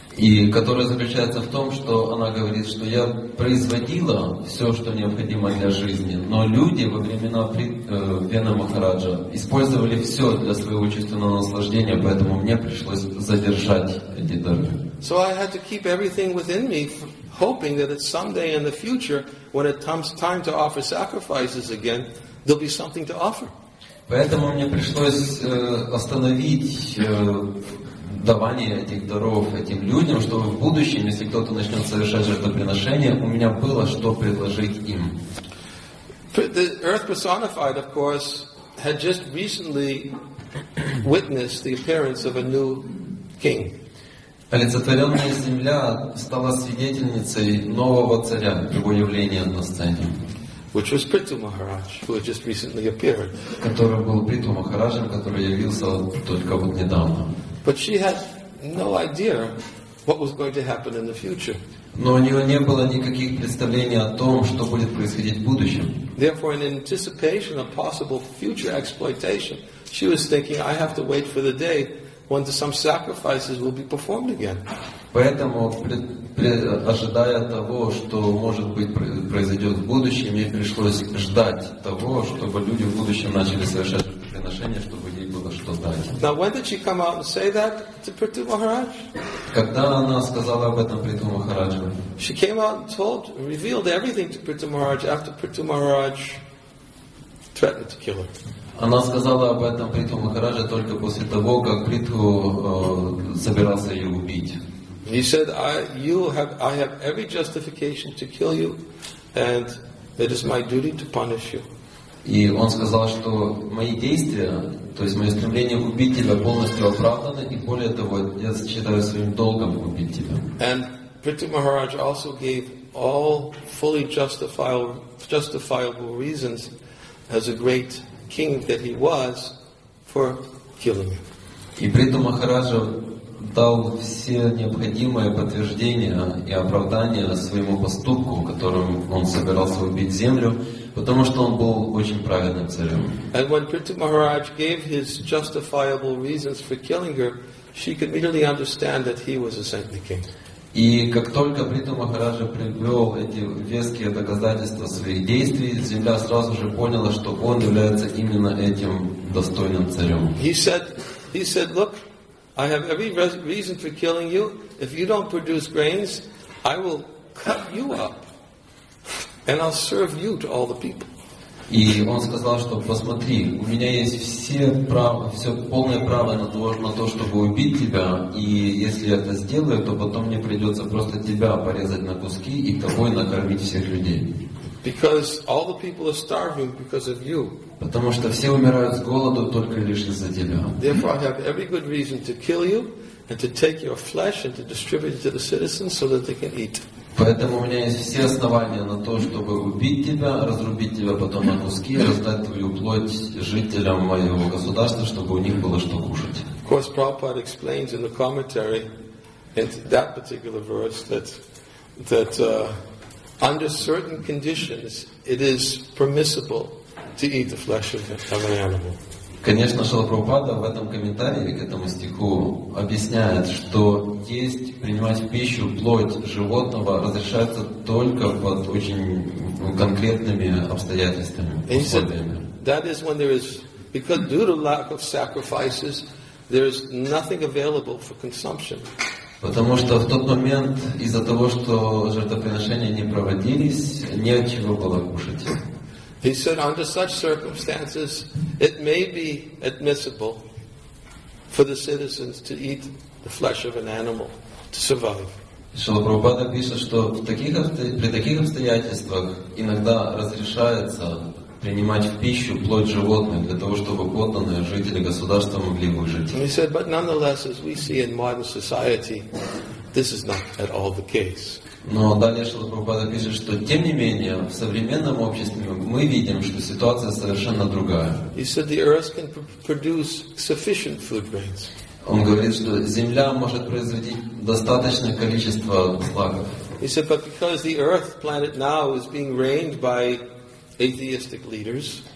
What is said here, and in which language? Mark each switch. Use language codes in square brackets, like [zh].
[ru] И которая заключается в том, что она говорит, что я производила все, что необходимо для жизни, но люди во времена Вена Махараджа использовали все для своего чувственного наслаждения, поэтому мне пришлось задержать эти дары. [en] So I had to keep everything within me, hoping that at someday in the future, when it comes time to offer sacrifices again, there'll be something to offer. [ru] Поэтому мне пришлось остановить давание этих даров этим людям, чтобы в будущем, если кто-то начнет совершать жертвоприношение, у меня было что предложить им. [en] The earth personified, of course, had just recently witnessed the appearance of a new king. [ru] Олицетворенная земля стала свидетельницей нового царя, его явления на сцене. [en] Which was Prithu Maharaj, who had just recently appeared. [ru] Который был Притху Махараджем, который явился только вот недавно. [en] But she had no idea what was going to happen in the future. [ru] Но у нее не было никаких представлений о том, что будет происходить в будущем. [en] Therefore, in anticipation of possible future exploitation, she was thinking, I have to wait for the day when some sacrifices will be performed again. [ru] Поэтому, ожидая того, что может быть произойдет в будущем, ей пришлось ждать того, чтобы люди в будущем начали совершать приношение, чтобы ей было что дать. [en] Now when did she come out and say that to Prithu Maharaj? [ru] Когда она сказала об этом Прету Махараджу? [en] She came out and told, revealed everything to Prithu Maharaj after Prithu Maharaj threatened to kill her. [ru] Она сказала об этом Прету Махараджу только после того, как Прету собирался ее убить. [en] He said, I have every justification to kill you, and it is my duty to punish you. [ru] И он сказал, что мои действия, то есть мое стремление убить тебя, полностью оправданы, и более того, я считаю своим долгом убить тебя. [en] And Prithu Maharaj also gave all fully justifiable reasons as a great king that he was for killing him. [ru] И Прету Махараджа дал все необходимые подтверждения и оправдания своему поступку, которым он собирался убить землю, потому что он был очень праведным царем. [en] And when Prithu Maharaj gave his justifiable reasons for killing her, she could immediately understand that he was a saintly king. [ru] И как только Прету Махараджа привел эти веские доказательства своих действий, земля сразу же поняла, что он является именно этим достойным царем. [en] He said, look, I have every reason for killing you. If you don't produce grains, I will cut you up. And I'll serve you to all the people. [ru] И он сказал, что посмотри, у меня есть все полное право на то, чтобы убить тебя, и если я это сделаю, то потом мне придется просто тебя порезать на куски и тобой накормить всех людей. [en] Because all the people are starving because of you. [ru] Потому что все умирают с голоду только лишь из-за тебя. [en] Therefore, I have every good reason to kill you and to take your flesh and to distribute it to the citizens so that they can eat. [ru] Поэтому у меня есть все основания на то, чтобы убить тебя, разрубить тебя потом на куски, раздать твою плоть жителям моего государства, чтобы у них было что кушать. [en] Of course, Prabhupada explains in the commentary in that particular verse that under certain conditions it is permissible to eat the flesh of an animal. [ru] Конечно, Шрила Прабхупада в этом комментарии к этому стиху объясняет, что есть, принимать в пищу плоть животного разрешается только под очень конкретными обстоятельствами, условиями. [en] That is when there is, because due to lack of sacrifices, there is nothing available for consumption. [ru] Потому что в тот момент, из-за того, что жертвоприношения не проводились, не от чего было кушать. [en] He said, under such circumstances, it may be admissible for the citizens to eat the flesh of an animal to survive. [ru] Шрила Прабхупада пишет, что при таких обстоятельствах иногда разрешается принимать в пищу плоть животных для того, чтобы подданные жители государства могли выжить. [en] And he said, but nonetheless, as we see in modern society, this is not at all the case. [ru] Но далее Шрила Прабхупада пишет, что тем не менее в современном обществе мы видим, что ситуация совершенно другая. [en] He said the earth can produce sufficient food grains. [ru] Он говорит, что земля может производить достаточное количество злаков. [en] He said, but because the earth planet now is being reigned by atheistic leaders.